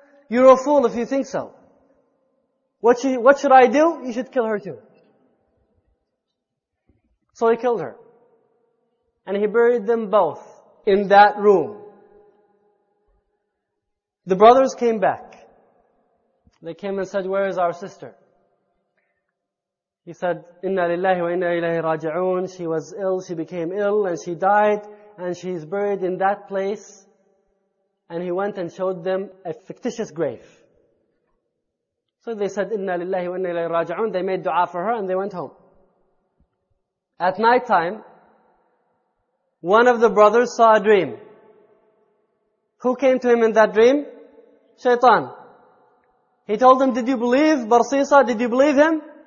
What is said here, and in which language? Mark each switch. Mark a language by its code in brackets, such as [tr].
[en] You're a fool if you think so. What should I do? You should kill her too. So he killed her. And he buried them both in that room. The brothers came back. They came and said, where is our sister? He said, [ar] إِنَّا لِلَّهِ وَإِنَّا إِلَيْهِ رَاجِعُونَ. [en] She was ill, she became ill, and she died, and she's buried in that place. And he went and showed them a fictitious grave. So they said, [ar] إِنَّا لِلَّهِ وَإِنَّا إِلَيْهِ رَاجِعُونَ. [en] They made dua for her, and they went home. At night time, one of the brothers saw a dream. Who came to him in that dream? Shaitan. He told him, did you believe Barsisa? Did you believe him?